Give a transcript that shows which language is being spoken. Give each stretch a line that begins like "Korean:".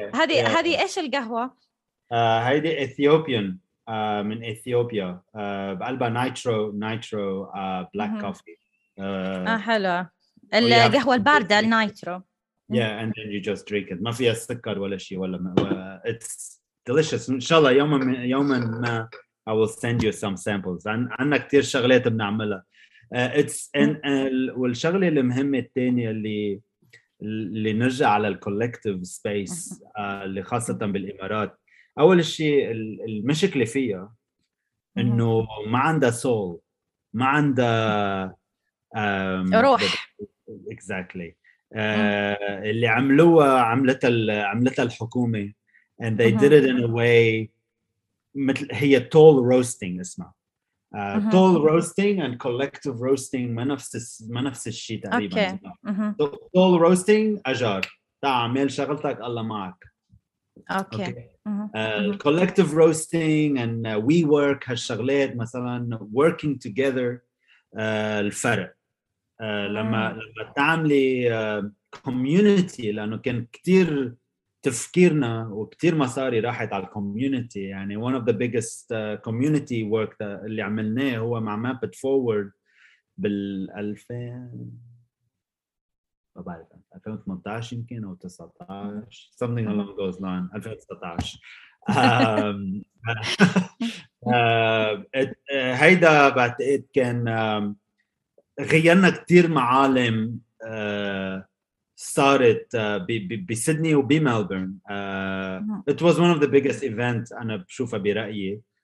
Arabic: هذه إيش القهوة؟ هيدي إثيوبيان من إثيوبيا بعلبة نايترو بلاك كوفي. حلو القهوة الباردة النايترو.
English: Yeah, and then you just drink it.
Arabic: ما فيها سكر ولا شيء ولا ما.
English: It's delicious.
Arabic: إن شاء الله يوماً ما
English: I will send you some samples.
Arabic: عنا كتير شغلات بنعملها. It's والشغلة المهمة الثانية اللي نرجع على ال collective space اللي خاصة بالإمارات. أول شيء المشكلة فيها إنه ما عندها soul, ما عندها روح.
English: Exactly.
Arabic: اللي عملوها عملتها الحكومة
English: and they did it in a way
Arabic: مثل هي toll roasting اسمها toll roasting and collective roasting ما نفس الشيء تقريبا.
English: Okay.
Arabic: Toll roasting أجار تعمل شغلتك الله معك.
English: Okay.
Arabic: Collective roasting
English: and we work
Arabic: هالشغلات مثلا
English: working together
Arabic: الفرق لما تعملي community لأنه كان كتير تفكيرنا وكتير مصاري راحت على community. يعني
English: one of the biggest community work
Arabic: اللي عملناه هو مع map it forward بالألفين ما بعرف 2018 يمكن أو 19
English: something along those lines
Arabic: 2019 هيدا بعتقد كان غيرنا كتير معالم صارت بسيدني وبملبورن.
English: It was one of the biggest events
Arabic: أنا بشوفها برأيي.